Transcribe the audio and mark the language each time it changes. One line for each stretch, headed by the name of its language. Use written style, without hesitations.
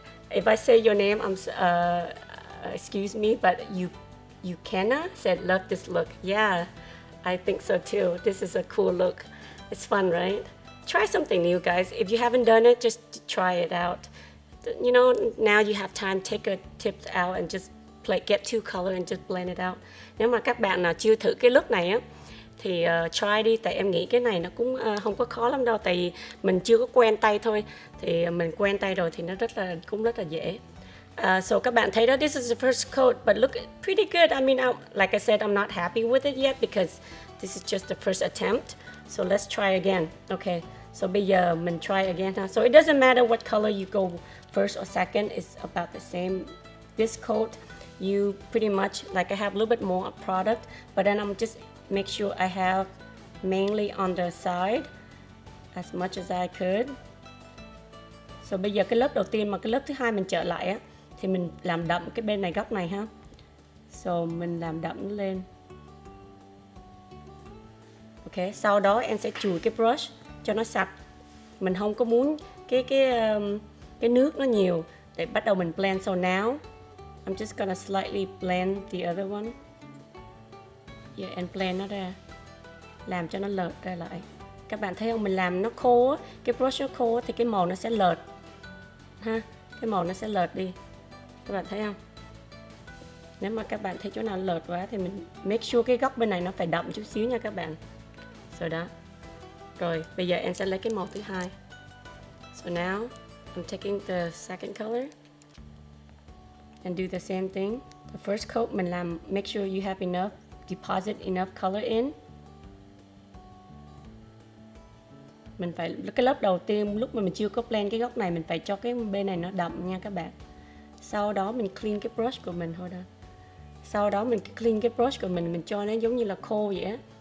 English: If I say your name, excuse me, but you Kenna said love this look. Yeah, I think so too. This is a cool look. It's fun, right? Try something new, guys. If you haven't done it, just try it out. You know, now you have time, take a tip out and just play, get two color and just blend it out.
Vietnamese: Nếu mà các bạn nào chưa thử cái look này á, thì try đi, tại em nghĩ cái này nó cũng không có khó lắm đâu, tại vì mình chưa có quen tay thôi. Thì mình quen tay rồi thì nó rất là dễ. So các bạn thấy đó,
English: this is the first coat, but look pretty good. I mean, like I said, I'm not happy with it yet because this is just the first attempt. So let's try again. Okay, so
Vietnamese: bây giờ mình
English: try again. Huh? So it doesn't matter what color you go first or second, it's about the same. This coat, you pretty much, like I have a little bit more product, but then I'm just make sure I have mainly on the side as much as I could.
Vietnamese: So bây giờ cái lớp đầu tiên mà cái lớp thứ hai mình trở lại á, thì mình làm đậm cái bên này góc này ha. Huh? So mình làm đậm lên. Okay, sau đó em sẽ chùi cái brush cho nó sạch. Mình không có muốn cái nước nó nhiều để bắt đầu mình blend.
English: So now I'm just gonna slightly blend the other one.
Vietnamese: Yeah, and blend nó ra. Làm cho nó lợt ra lại. Các bạn thấy không, mình làm nó khô, cái brush nó khô thì cái màu nó sẽ lợt. Ha, cái màu nó sẽ lợt đi. Các bạn thấy không? Nếu mà các bạn thấy chỗ nào lợt quá thì mình make sure cái góc bên này nó phải đậm chút xíu nha các bạn. So đó. Rồi, bây giờ em sẽ lấy cái màu thứ hai.
English: So now, I'm taking the second color and do the same thing. The first coat
Vietnamese: mình làm,
English: make sure you have enough, deposit enough color in.
Vietnamese: Mình phải, cái lớp đầu tiên, lúc mà mình chưa có blend cái góc này, mình phải cho cái bên này nó đậm nha các bạn. Sau đó mình clean cái brush của mình thôi đó. Sau đó mình clean cái brush của mình cho nó giống như là khô vậy á.